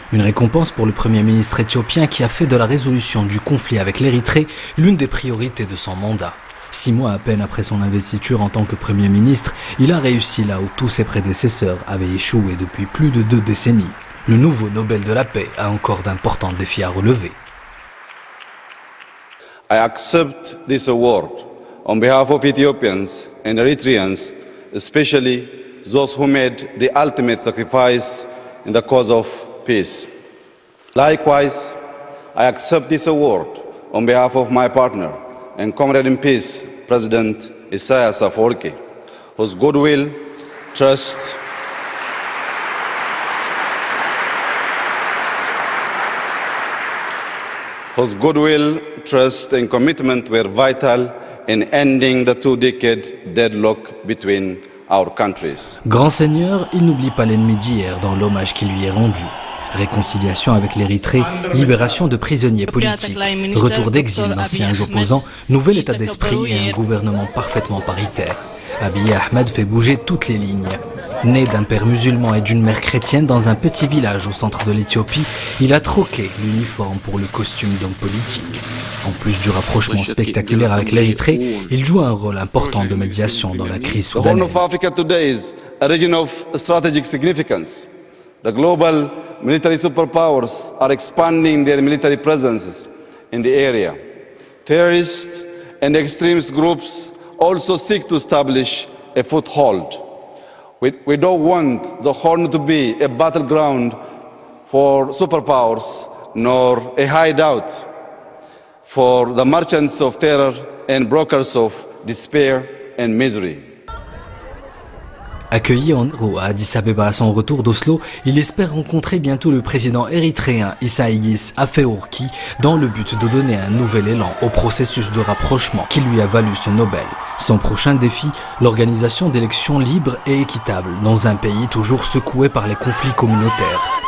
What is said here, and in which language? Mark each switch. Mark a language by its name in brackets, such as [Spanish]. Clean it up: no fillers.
[French] Une récompense pour le premier ministre éthiopien qui a fait de la résolution du conflit avec l'Érythrée l'une des priorités de son mandat. 6 mois à peine après son investiture en tant que premier ministre, il a réussi là où tous ses prédécesseurs avaient échoué depuis plus de 2 décennies. Le nouveau Nobel de la paix a encore d'importants défis à relever. [English] I accept this award on behalf of Ethiopians and Eritreans, especially those who made the ultimate sacrifice in the cause of peace. Likewise, I accept this award on behalf of my partner and comrade in peace, President Isaias Afwerki, whose goodwill, trust, whose goodwill, trust and commitment were vital in ending the 2-decade deadlock between our countries. [French] Grand seigneur, il n'oublie pas l'ennemi d'hier dans l'hommage qui lui est rendu. Réconciliation avec l'Érythrée, libération de prisonniers politiques, retour d'exil d'anciens opposants, nouvel état d'esprit et un gouvernement parfaitement paritaire. Abiy Ahmed fait bouger toutes les lignes. Né d'un père musulman et d'une mère chrétienne dans un petit village au centre de l'Éthiopie, il a troqué l'uniforme pour le costume d'homme politique. En plus du rapprochement spectaculaire avec l'Érythrée, il joue un rôle important de médiation dans la crise soudanaise. [English] The Horn of Africa today is a region of strategic significance. The global military superpowers are expanding their military presences in the area. Terrorists and extremist groups also seek to establish a foothold. We don't want the Horn to be a battleground for superpowers nor a hideout for the merchants of terror and brokers of despair and misery. [French] Accueilli en héros à Addis Abeba à son retour d'Oslo, il espère rencontrer bientôt le président érythréen Isaias Afewerki dans le but de donner un nouvel élan au processus de rapprochement qui lui a valu ce Nobel. Son prochain défi, l'organisation d'élections libres et équitables dans un pays toujours secoué par les conflits communautaires.